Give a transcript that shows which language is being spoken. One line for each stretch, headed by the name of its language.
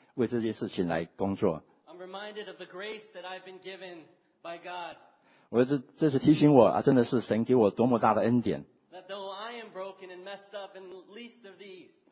English: I'm reminded of the grace that I've been given by God.
Chinese: 我这是提醒我，真的是神给我多么大的恩典。
English: That though I am broken and messed up and least of these.